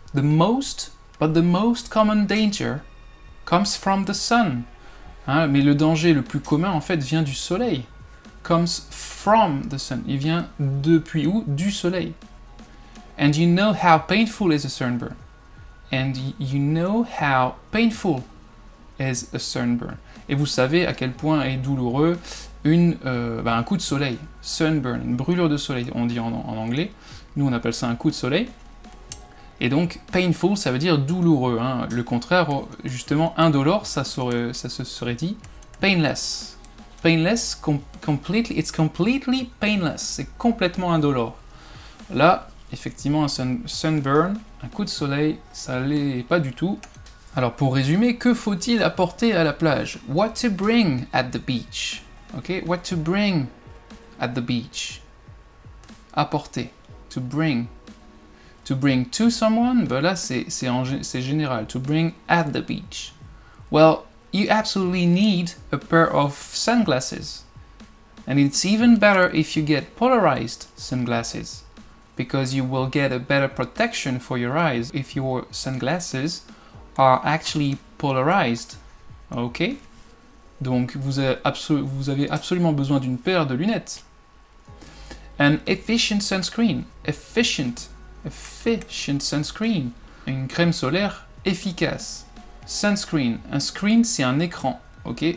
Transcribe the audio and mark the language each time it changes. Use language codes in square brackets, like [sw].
[en] The most, but the most common danger comes from the sun. [fr] Hein, mais le danger le plus commun en fait vient du soleil. [en] Comes from the sun. [fr] Il vient depuis où? Du soleil. [en] And you know how painful is a sunburn. And you know how painful is a sunburn. [fr] Et vous savez à quel point est douloureux un coup de soleil. Sunburn, une brûlure de soleil, on dit en anglais. Nous, on appelle ça un coup de soleil. Et donc, painful, ça veut dire douloureux. Hein. Le contraire, justement, indolore, ça se serait dit painless. [en] Painless, completely, it's completely painless. [fr] C'est complètement indolore. Là, effectivement, un sunburn, un coup de soleil, ça l'est pas du tout. Alors pour résumer, que faut-il apporter à la plage? [en] What to bring at the beach? Ok, what to bring at the beach? [fr] Apporter, to bring. To bring to someone, ben là c'est général, to bring at the beach. [en] Well, you absolutely need a pair of sunglasses. And it's even better if you get polarized sunglasses. Because you will get a better protection for your eyes if your sunglasses are actually polarized. Ok? [fr] Donc vous avez absolument besoin d'une paire de lunettes. [en] An efficient sunscreen. Efficient. Efficient sunscreen. [fr] Une crème solaire efficace. Sunscreen. Un screen, c'est un écran. Ok?